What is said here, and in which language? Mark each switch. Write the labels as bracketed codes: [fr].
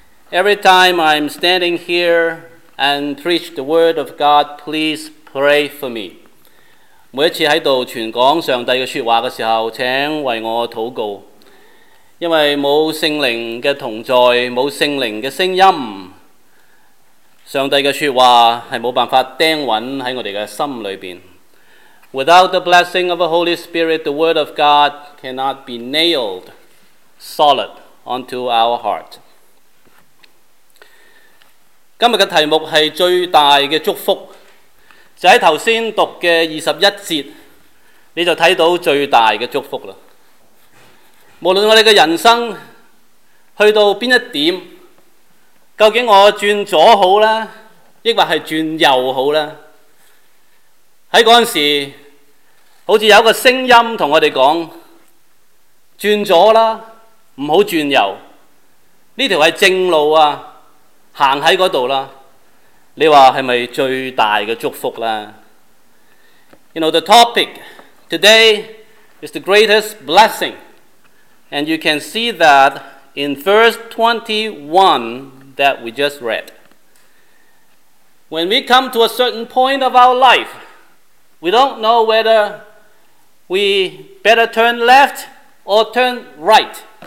[en] Every time I'm standing here and preach the word of God, please pray for me. [yue] 每一次在这里传讲上帝的说话的时候，请为我祷告。因为没有圣灵的同在，没有圣灵的声音，上帝的说话是没办法钉稳在我们的心里面。 [en] Without the blessing of the Holy Spirit, the Word of God cannot be nailed solid onto our heart. [yue] 今日的题目是最大的祝福，就在刚才读的21节，你就看到最大的祝福了。无论我们的人生去到哪一点，究竟我转左好呢，抑或是转右好呢，在那时好像有一个声音跟我们说，转左啦，不要转右，这条是正路啊，行在那里啦。你说是不是最大的祝福呢？ [en] You know, the topic today is the greatest blessing. And you can see that in verse 21 that we just read. When we come to a certain point of our life, we don't know whether we better turn left or turn right.